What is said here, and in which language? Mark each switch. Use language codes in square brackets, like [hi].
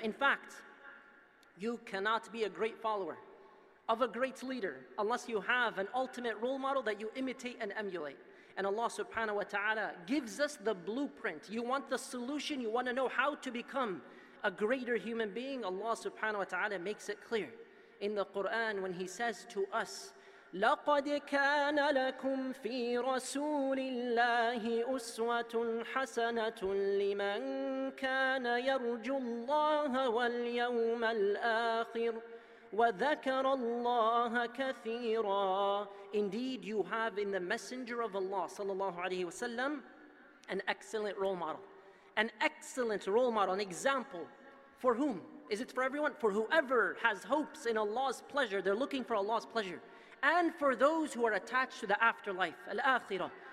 [en] In fact, you cannot be a great follower of a great leader unless you have an ultimate role model that you imitate and emulate. And Allah subhanahu wa ta'ala gives us the blueprint. You want the solution, you want to know how to become a greater human being. Allah subhanahu wa ta'ala makes it clear in the Quran when he says to us, [ar] لقد كان لكم في رسول الله أسوة حسنة لمن كان يرجو الله واليوم الآخر وذكر الله كثيرا. [en] Indeed, you have in the Messenger of Allah [ar] صلى الله عليه وسلم [en] an excellent role model. An excellent role model, an example. For whom? Is it for everyone? For whoever has hopes in Allah's pleasure, they're looking for Allah's pleasure. And for those who are attached to the afterlife, al-akhirah.